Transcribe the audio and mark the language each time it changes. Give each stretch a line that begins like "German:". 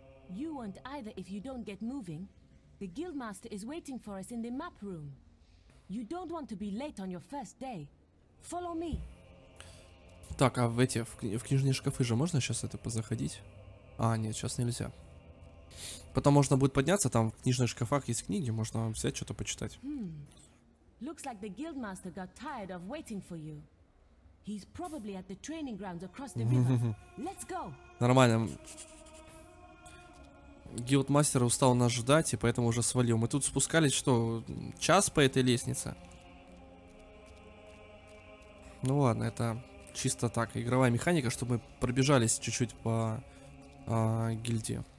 English: You won't either if you don't get moving. The guildmaster is waiting for us in the map room. You don't want to be late on your first day. Follow me.
Russian: Так, а в эти в книжные шкафы же можно сейчас это позаходить? А, нет, сейчас нельзя. Потом можно будет подняться, там в книжных шкафах есть книги, можно взять что-то почитать. Hmm.
English: Looks like the guildmaster got tired of waiting for you. He's probably at the training grounds across the river. Let's go.
Russian: Нормально. Гилдмастер устал нас ждать, и поэтому уже свалил. Мы тут спускались, что, час по этой лестнице? Ну ладно, это чисто так, игровая механика, чтобы мы пробежались чуть-чуть по гильдии.